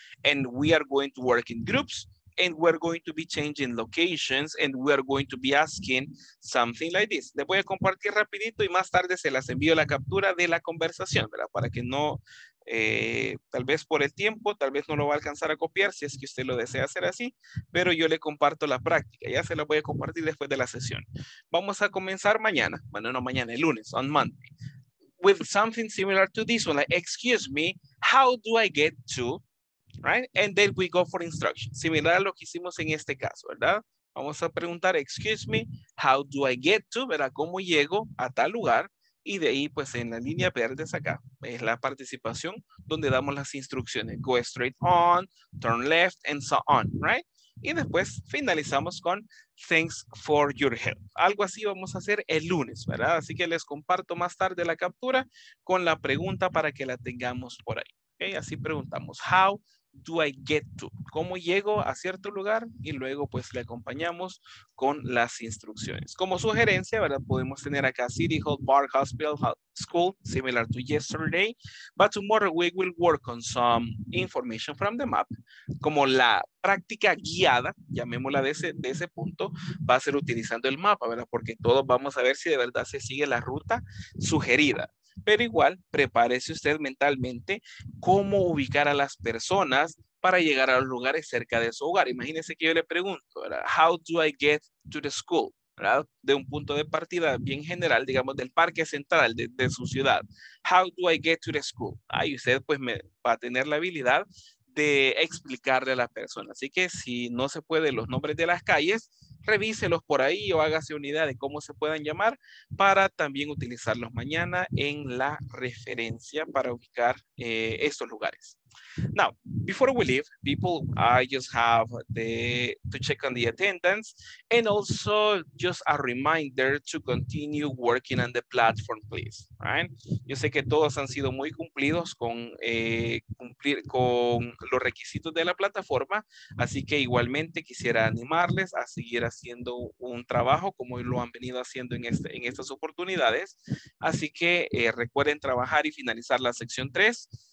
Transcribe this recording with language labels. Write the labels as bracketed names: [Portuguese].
[English] And we are going to work in groups, and we're going to be changing locations, and we are going to be asking something like this. [Spanish] Le voy a compartir rapidito y más tarde se las envío la captura de la conversación, ¿verdad? Para que no, tal vez por el tiempo, tal vez no lo va a alcanzar a copiar si es que usted lo desea hacer así, pero yo le comparto la práctica. Ya se la voy a compartir después de la sesión. Vamos a comenzar mañana, bueno, no mañana, el lunes, [English] on Monday, with something similar to this one, like, excuse me, how do I get to, right? And then we go for instructions. [Spanish] Similar a lo que hicimos en este caso, ¿verdad? Vamos a preguntar, [English] excuse me, how do I get to, [Spanish] ¿verdad? ¿Cómo llego a tal lugar? Y de ahí, pues, en la línea verde es acá. Es la participación donde damos las instrucciones. [English] Go straight on, turn left, and so on, right? [Spanish] Y después finalizamos con [English] thanks for your help. [Spanish] Algo así vamos a hacer el lunes, ¿verdad? Así que les comparto más tarde la captura con la pregunta para que la tengamos por ahí. Okay, así preguntamos, [English] how do I get to? [Spanish] ¿Cómo llego a cierto lugar? Y luego pues le acompañamos con las instrucciones. Como sugerencia, ¿verdad? Podemos tener acá City Hall, Bar, Hospital, School, [English] similar to yesterday. But tomorrow we will work on some information from the map. [Spanish] Como la práctica guiada, llamémosla de ese punto, va a ser utilizando el mapa, ¿verdad? Porque todos vamos a ver si de verdad se sigue la ruta sugerida. Pero igual, prepárese usted mentalmente cómo ubicar a las personas para llegar a los lugares cerca de su hogar. Imagínese que yo le pregunto, ¿verdad? [English] How do I get to the school? [Spanish] ¿Verdad? De un punto de partida bien general, digamos, del parque central de su ciudad. [English] How do I get to the school? [Spanish] Ahí usted pues va a tener la habilidad de explicarle a la persona. Así que si no se puede los nombres de las calles, revíselos por ahí o hágase una idea de cómo se puedan llamar para también utilizarlos mañana en la referencia para ubicar estos lugares. [English] Now, before we leave, people, I just have to check on the attendance and also just a reminder to continue working on the platform, please. Right? [Spanish] Yo sé que todos han sido muy cumplidos con cumplir con los requisitos de la plataforma, así que igualmente quisiera animarles a seguir haciendo un trabajo como lo han venido haciendo en estas oportunidades. Así que recuerden trabajar y finalizar la sección 3.